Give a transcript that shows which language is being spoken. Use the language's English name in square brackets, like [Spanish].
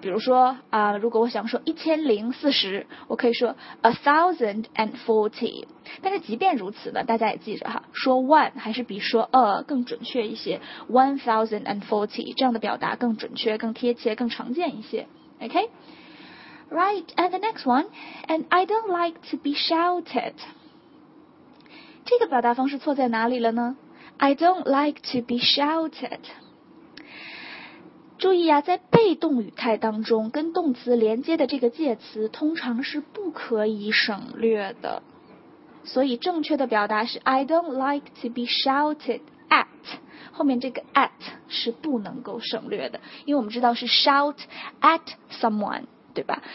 [Chinese] 比如说如果我想说1040，我可以说 1040。但是即便如此呢，大家也记着哈，说 one 还是比说更准确一些， 1040 这样的表达更准确、更贴切、更常见一些。 [English] OK Right, and the next one， And I don't like to be shouted。 [Chinese] 这个表达方式错在哪里了呢？ [English] I don't like to be shouted。 注意啊，在被动语态当中跟动词连接的这个介词通常是不可以省略的，所以正确的表达是 I don't like to be shouted at， [Chinese] 后面这个 at 是不能够省略的，因为我们知道是 [English] shout at someone， [Chinese] 对吧？